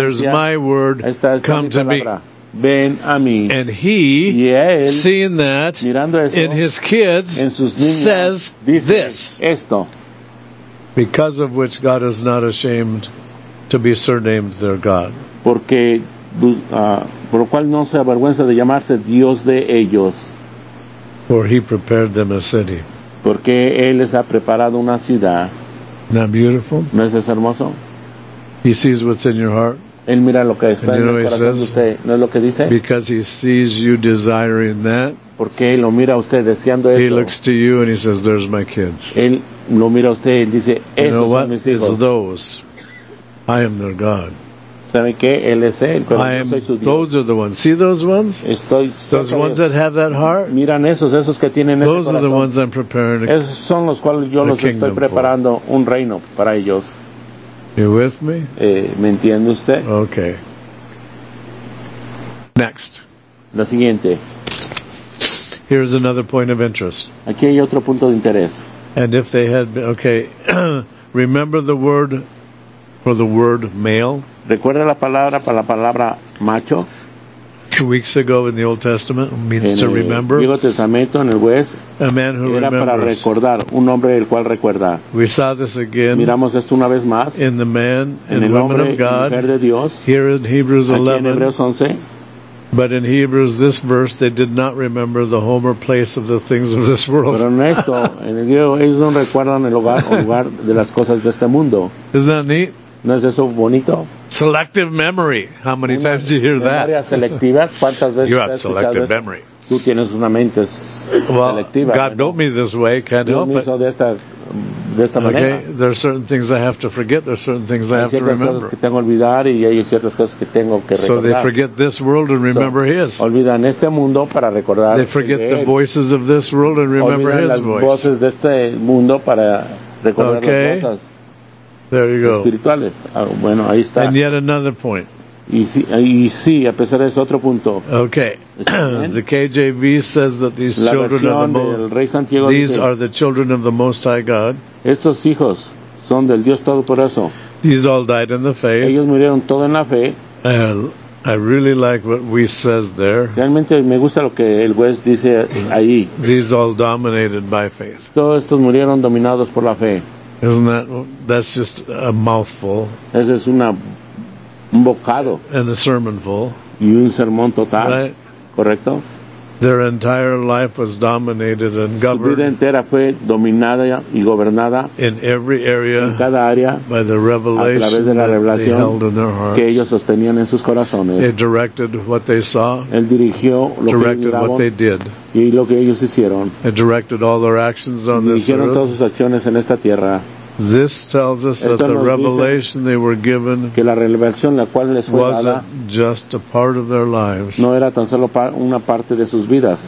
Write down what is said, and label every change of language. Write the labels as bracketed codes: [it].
[en] There's my word. [es] Ahí está [en] come [es] mi [en] to me. [es] Ven a mí. [en] And he, [es] él, [en] seeing that [es] eso, [en] in his kids, [es] en sus niños, [en] says [es] dice [en] this. [es] Esto. [en] Because of which God is not ashamed to be surnamed their God. [es] Porque por lo cual no se avergüenza de llamarse Dios de ellos. [en] For he prepared them a city. [es] Porque él les ha preparado una ciudad. [en] Isn't that beautiful? [es] ¿No es eso hermoso? [en] He sees what's in your heart. [es] Él mira lo que está en el corazón de usted. ¿No es lo que dice? [en] Because he sees you desiring that. [es] Porque él lo mira a usted deseando eso. [en] He looks to you and he says, "There's my kids." [es] Él lo mira a usted y dice, "Esos [en] you know [es] son mis hijos." [en] It's those. I am their God. [es] ¿Sabe qué? Él es él, pero [en] I [es] yo [en] am, [es] soy su Dios. [en] Those are the ones. See those ones? [es] Estoy [en] those ones that have that heart. [es] Miran esos que tienen [en] those [es] ese corazón. [en] Those are the ones I'm preparing. [es] Esos son los cuales yo los estoy preparando [en] for. [es] Un reino para ellos. [en] You with me? [es] ¿Me entiende usted? [en] Okay. Next. [es] La siguiente. [en] Here's another point of interest. [es] Aquí hay otro punto de interés. [en] And if they had been, okay, remember the word for the word male? [es] ¿Recuerda la palabra para la palabra macho? [en] 2 weeks ago in the Old Testament means [es] en [en] to remember. [es] Viejo Testamento, en el West, [en] a man who [es] era [en] remembers. [es] Era para recordar, un hombre el cual recuerda. [en] We saw this again. [es] Miramos esto una vez más. [en] In the man and [es] en el [en] woman [es] hombre, [en] of God. [es] Mujer de Dios, [en] here in Hebrews 11. [es] En Hebreos 11. [en] But in Hebrews, this verse, they did not remember the home or place of the things of this world. [es] Pero en esto, en el griego, ellos no recuerdan el hogar o lugar de las cosas de este mundo. [en] Isn't that neat? [es] ¿No es eso bonito? [en] Selective memory. How many times do you hear that? [es] Memoria selectiva. ¿Cuántas veces? [en] You have selective memory. [es] Tú tienes una mente selectiva. [en] Well, God built me this way. Can't help it. [es] De esta manera. [en] Okay. There are certain things I have to forget. There are certain things I have to remember. [es] Hay ciertas cosas que tengo que olvidar y hay ciertas cosas que tengo que recordar. [en] So they forget this world and remember His. [es] Olvidan este mundo para recordar. [en] They forget the voices of this world and remember His voice. [es] Olvidan las voces de este mundo para recordar las cosas. [en] There you go. [es] Espirituales. Bueno, ahí está. [en] And yet another point. [es] Y sí, a pesar de eso, otro punto. [en] Okay. The KJV says that these children of the Most High God. These are the children of the Most High God. [es] Estos hijos son del Dios Todopoderoso. [en] These all died in the faith. [es] Ellos murieron todos en la fe. [en] I really like what we says there. [es] Realmente me gusta lo que el West dice ahí. [en] These all dominated by faith. [es] Todos estos murieron dominados por la fe. [en] Isn't that's just a mouthful? [es] Ese es un bocado. [en] And a sermon full. [es] Y un sermón total. [en] Right? [es] Correcto. [en] Their entire life was dominated and governed. [es] Su vida entera fue dominada y gobernada. [en] In every area. [es] En cada área. [en] By the revelation. [es] A través de la revelación. [en] They held in their hearts. [es] Que ellos sostenían en sus corazones. [en] It directed what they saw. [es] Él dirigió lo que [en] directed [es] miraban, [en] what they did. [es] Y lo que ellos hicieron. [en] It directed all their actions on this earth. [es] Dirigieron todas sus acciones en esta tierra. [en] This tells us that the revelation they were given [es] que la revelación la cual les fue [en] wasn't [es] dada, [en] just a part of their lives. [es] No era tan solo una parte de sus vidas.